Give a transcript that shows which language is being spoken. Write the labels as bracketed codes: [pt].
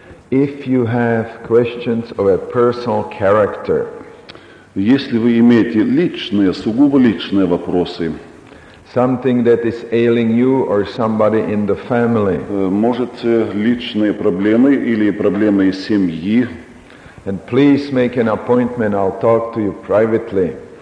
[en] If you have questions of a personal character, [ru] если вы имеете личные, сугубо личные вопросы, [en] something that is ailing you or somebody in the family, [ru] может, личные проблемы или проблемы из семьи, [en] and please make an appointment, I'll talk to you privately.